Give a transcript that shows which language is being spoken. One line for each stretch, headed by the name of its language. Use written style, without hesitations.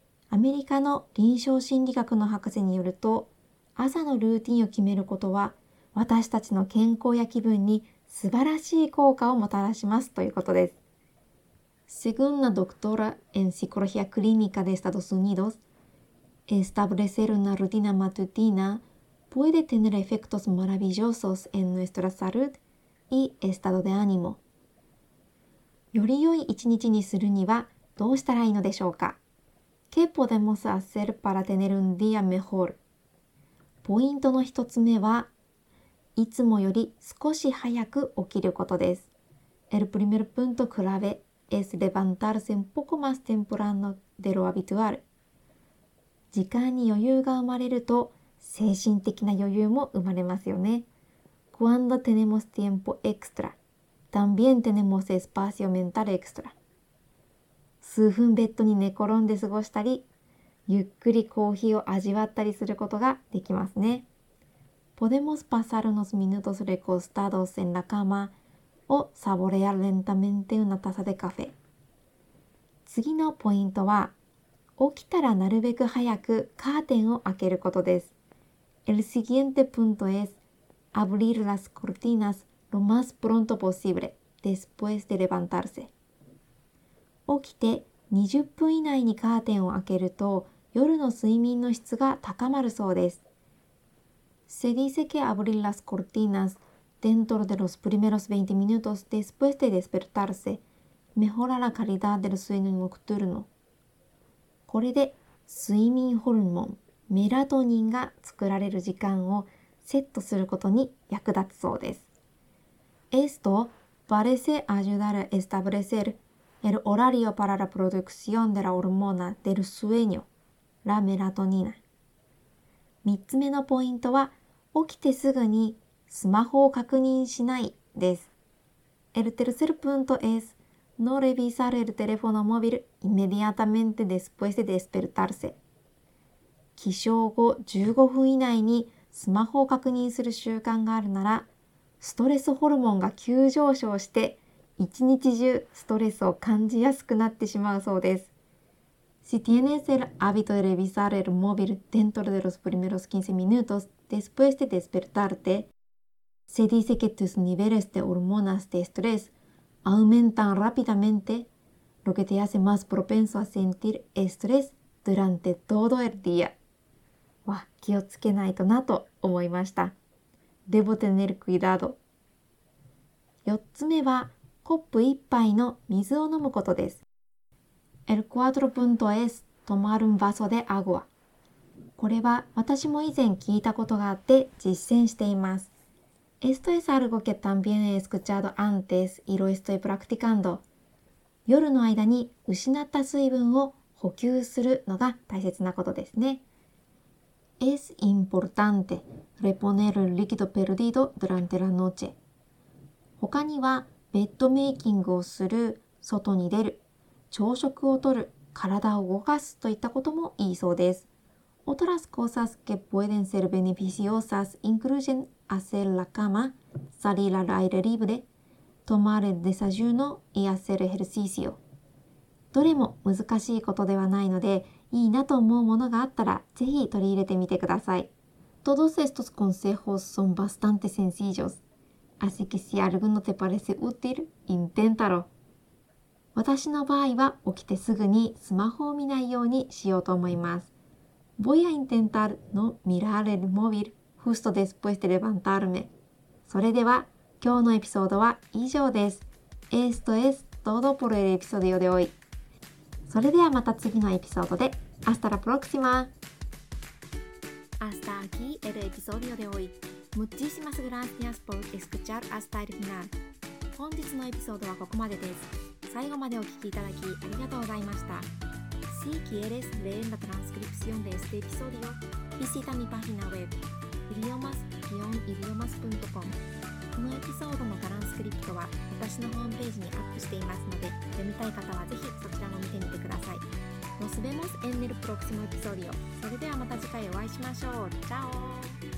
Japanese: アメリカの臨床心理学の博士によると、朝のルーティンを決めることは、私たちの健康や気分に素晴らしい効果をもたらしますということです。
Spanish: Según la doctora en psicología clínica de Estados Unidos, establecer una rutina matutina puede tener efectos maravillosos en nuestra salud y estado de ánimo.
Japanese: より良い一日にするにはどうしたらいいのでしょうか？
Spanish: ¿Qué podemos hacer para tener un día mejor?
Japanese: ポイントの一つ目は、いつもより少し早く起きることです。
Spanish: El primer punto clave es levantarse un poco más temprano de lo habitual.
Japanese: 時間に余裕が生まれると、精神的な余裕も生まれますよね。
Spanish: Cuando tenemos tiempo extra, también tenemos espacio mental extra.
Japanese: 数分ベッドに寝転んで過ごしたり、ゆっくりコーヒーを味わったりすることができますね。
Spanish: Podemos pasar unos minutos recostados en la cama o saborear lentamente una taza de café.
Japanese: 次のポイントは、起きたらなるべく早くカーテンを開けることです。
Spanish: El siguiente punto es abrir las cortinas lo más pronto posible después de levantarse.
Japanese: 起きて20分以内にカーテンを開けると夜の睡眠の質が高まるそうです。
Spanish: Se dice que abrir las cortinas dentro de los primeros 20 minutos después de despertarse mejora la calidad del sueño nocturno.
Japanese: これで睡眠ホルモン、メラトニンが作られる時間をセットすることに役立つそうです。
Spanish: Esto parece ayudar a establecer el horario para la producción de la hormona del sueño, la melatonina.
Japanese: 3つ目のポイントは、起きてすぐにスマホを確認しないです。
Spanish: El tercer punto es no revisar el teléfono móvil inmediatamente después de despertarse.
Japanese: 起床後15分以内にスマホを確認する習慣があるなら、ストレスホルモンが急上昇して、一日中ストレスを感じやすくなってしまうそうです。
Spanish: Si tienes el hábito de revisar el móvil dentro de los primeros 15 minutos después de despertarte, se dice que tus niveles de hormonas de estrés aumentan rápidamente, lo que te hace más propenso a sentir estrés durante todo el día. ¡Wow!
Japanese: 気をつけないとなと思いました。
Spanish: Debo tener cuidado.
Japanese: 4つ目は、コップ一杯の水を飲むことです。
Spanish: El cuarto punto es tomar un vaso de agua.
Japanese: これは私も以前聞いたことがあって実践しています。
Spanish: Esto es algo que también he escuchado antes y lo estoy practicando.
Japanese: 夜の間に失った水分を補給するのが大切なことですね。
Spanish: Es importante reponer el líquido perdido durante la noche.
Japanese: 他にはベッドメイキングをする、外に出る、朝食をとる、体を動かすといったこともいいそうです。
Spanish: Otras cosas que pueden ser beneficiosas incluyen hacer la cama, salir al aire libre, tomar el desayuno y hacer ejercicio.
Japanese: どれも難しいことではないので、いいなと思うものがあったら、ぜひ取り入れてみてください。
Spanish: Todos estos consejos son bastante sencillos. Así que si alguno te parece útil, inténtalo.
Japanese: 私の場合は起きてすぐにスマホを見ないようにしようと思います。
Spanish: Voy a intentar no mirar el móvil justo después de levantarme.
Japanese: それでは今日のエピソードは以上です。
Spanish: Esto es todo por el episodio de hoy.
Japanese: それではまた次のエピソードで。
Spanish: Hasta la próxima! Hasta aquí el episodio de hoy. Muchísimas gracias por escuchar hasta el final.
Japanese: 本日のエピソードはここまでです。最後までお聞きいただきありがとうございました。
Spanish: Si quieres leer la transcripción de este episodio, visita mi página web idiomas-idiomas.com.
Japanese: このエピソードのトランスクリプトは私のホームページにアップしていますので、読みたい方はぜひそちらも見てみてください。
Spanish: Nos vemos en el próximo episodio.
Japanese: それではまた次回お会いしましょう。チャオ。